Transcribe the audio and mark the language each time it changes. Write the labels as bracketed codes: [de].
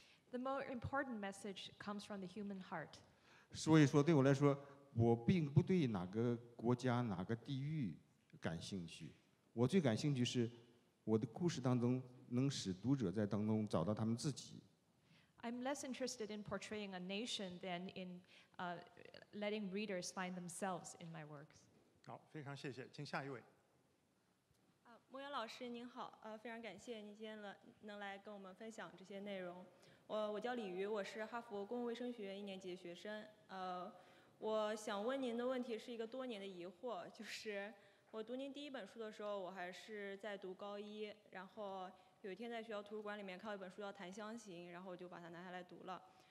[en] The more important message comes from the human heart. [zh] 所以说对我来说，我并不对哪个国家哪个地域感兴趣，我最感兴趣是我的故事当中能使读者在当中找到他们自己。 [en] I'm less interested in portraying a nation than in letting readers find themselves in my works. [zh] 好，非常谢谢，请下一位。牧原老师您好，非常感谢您今天能来跟我们分享这些内容。我叫李瑜，我是哈佛公共卫生学院一年级的学生。我想问您的问题是一个多年的疑惑，就是我读您第一本书的时候，我还是在读高一，然后有一天在学校图书馆里面看到一本书叫《檀香刑》，然后我就把它拿下来读了。